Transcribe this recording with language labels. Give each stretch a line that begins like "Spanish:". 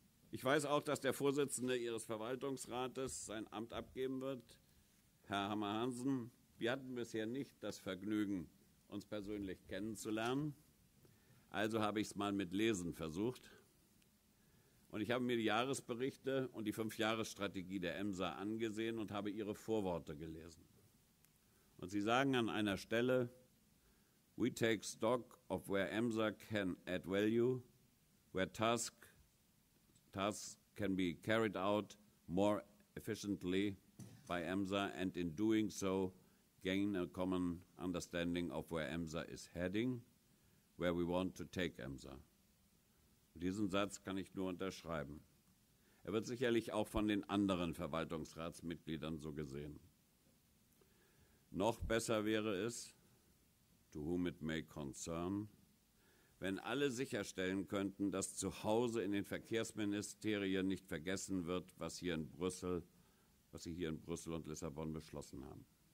German: Ich weiß auch, dass der Vorsitzende Ihres Verwaltungsrates sein Amt abgeben wird, Herr Hammer-Hansen. Wir hatten bisher nicht das Vergnügen, uns persönlich kennenzulernen. Also habe ich es mal mit Lesen versucht. Und ich habe mir die Jahresberichte und die 5-Jahres-Strategie der EMSA angesehen und habe Ihre Vorworte gelesen. Und Sie sagen an einer Stelle,
English: we take stock of where EMSA can add value, where tasks can be carried out more efficiently by EMSA and in doing so gain a common understanding of where EMSA is heading, where we want to take EMSA.
German: Diesen Satz kann ich nur unterschreiben. Er wird sicherlich auch von den anderen Verwaltungsratsmitgliedern so gesehen. Noch besser wäre es,
English: to whom it may concern,
German: wenn alle sicherstellen könnten, dass zu Hause in den Verkehrsministerien nicht vergessen wird, was sie hier in Brüssel und Lissabon beschlossen haben.